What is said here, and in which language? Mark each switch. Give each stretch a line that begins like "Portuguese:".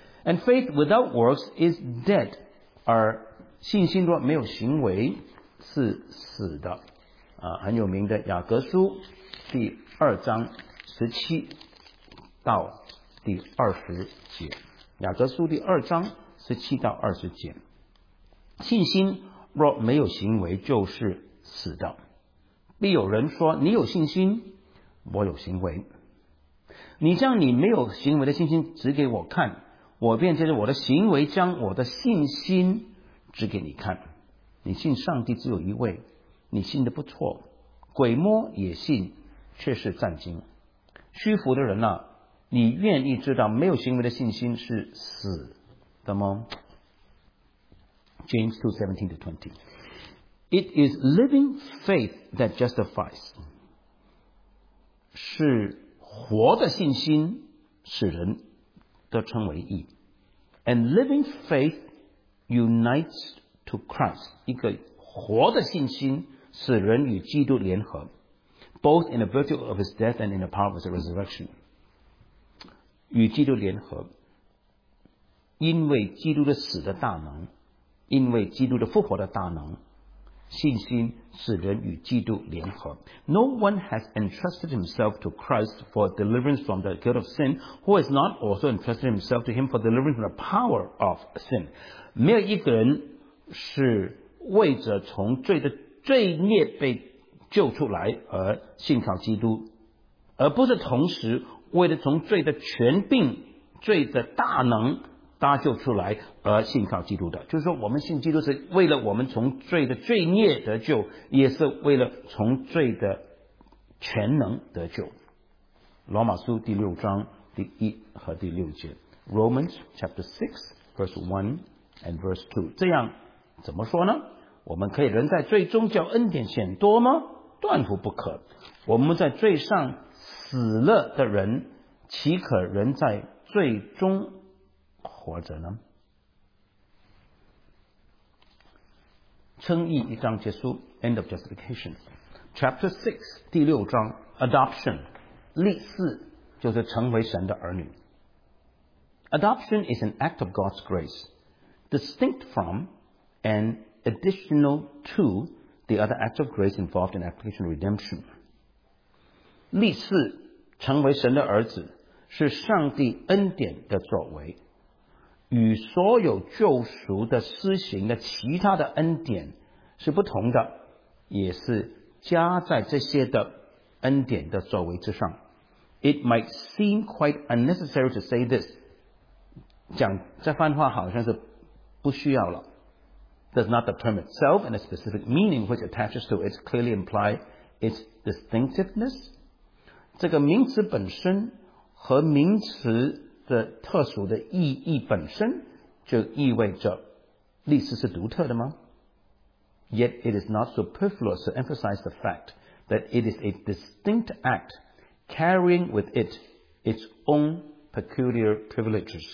English: And faith without works is dead.
Chinese: 而信心若没有行为是死的。很有名的雅各书第二章十七到第二十节。雅各书第二章十七到二十节。信心若没有行为就是死的。必有人说你有信心，我有行为。你将你没有行为的信心指给我看，我便借着我的行为将我的信心指给你看。你信上帝只有一位，你信得不错，鬼魔也信，却是战惊。虚浮的人啊，你愿意知道没有行为的信心是死的吗？
English: James 2:17-20 It is living faith that justifies.
Chinese: 是活的信心使人都称为义。
English: And living faith unites to Christ.
Chinese: 一个活的信心使人与基督联合，
English: both in the virtue of his death and in the power of his resurrection.
Chinese: 与基督联合，因为基督的死的大能，因为基督的复活的大能，信心使人与基督联合。
English: No one has entrusted himself to Christ for deliverance from the guilt of sin who has not also entrusted himself to him for deliverance from the power of sin.
Chinese: 没有一个人是为着从罪的罪孽被救出来而信靠基督，而不是同时为了从罪的权柄、罪的大能搭救出来而信靠基督的。就是说我们信基督是为了我们从罪的罪孽得救，也是为了从罪的全能得救。罗马书第六章第一和第六节，
English: Romans chapter 6 verse 1 and verse 2，
Chinese: 这样怎么说呢？我们可以人在罪中叫恩典显多吗？断乎不可。我们在罪上死了的人，岂可人在罪中活着呢？称义一章结束，
English: End of Justification. Chapter 6,
Chinese: 第六章， Adoption, 立嗣，就是成为神的儿女。
English: Adoption is an act of God's grace, distinct from and additional to the other acts of grace involved in application redemption.
Chinese: 立嗣，成为神的儿子，是上帝恩典的作为，与所有救赎的施行的其他的恩典是不同的，也是加在这些的恩典的作为之上。
English: It might seem quite unnecessary to say this，
Chinese: 讲这番话好像是不需要了。
English: Does not the term itself and the specific meaning which attaches to it clearly imply its distinctiveness？
Chinese: 这个名词本身和名词的特殊的意义本身就意味着历史是独特的吗？
English: Yet it is not superfluous to emphasize the fact that it is a distinct act carrying with it its own peculiar privileges.